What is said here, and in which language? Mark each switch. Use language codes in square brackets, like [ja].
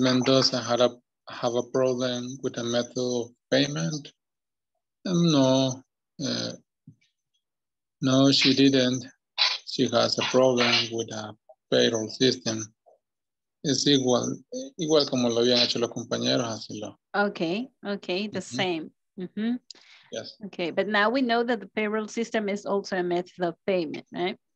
[en] Mendoza have a problem with the method of payment? No. No, she didn't. She has a problem with a payroll system. [es] Es igual como lo habían hecho los compañeros, así lo. [en] Okay, the same. Mm-hmm. Yes. Okay, but now we know that the payroll system is also a method of payment, right?